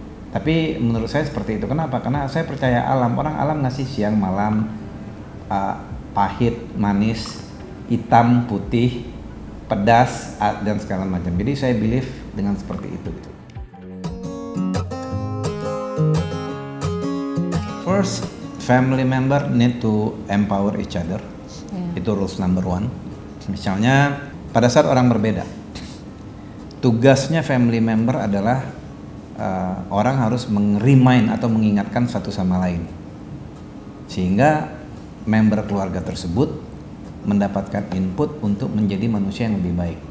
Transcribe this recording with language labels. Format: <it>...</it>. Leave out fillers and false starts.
<id>Tapi menurut saya seperti itu. Kenapa? Karena saya percaya alam. Orang alam ngasih siang malam, pahit, manis, hitam, putih, pedas, dan segala macam. Jadi saya believe dengan seperti itu.</id> <en>First, family member need to empower each other. Yeah. Itu rules number one.</en> <id>Misalnya, pada saat orang berbeda, tugasnya family member adalah orang harus meng-remind atau mengingatkan satu sama lain, sehingga member keluarga tersebut mendapatkan input untuk menjadi manusia yang lebih baik.</id>